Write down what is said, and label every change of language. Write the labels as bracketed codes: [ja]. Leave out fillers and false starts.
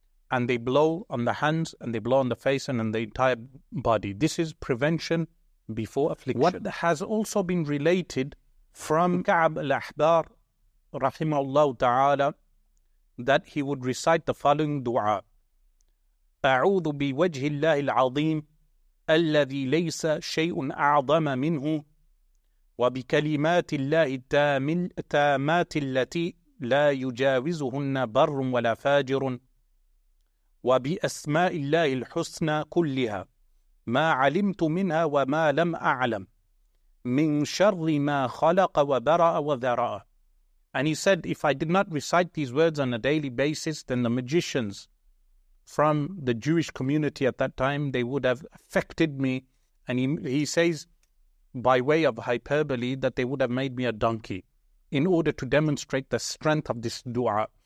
[en] And they blow on the hands and they blow on the face and on the entire body. This is prevention before affliction. What has also been related from Ka'b al-Ahbar rahimahullah ta'ala, that he would recite the following dua. [ar] أعوذ بوجه الله العظيم الذي ليس شيء أعظم منه وبكلمات الله التامات التي لا يجاوزهن بر ولا فاجر وبأسماء الله الحسنى كلها ما علمت منها وما لم أعلم من شر ما خلق وبرأ وذرأ. [en] And he said, if I did not recite these words on a daily basis, then the magicians, from the Jewish community at that time, they would have affected me. And he says, by way of hyperbole, that they would have made me a donkey in order to demonstrate the strength of this dua.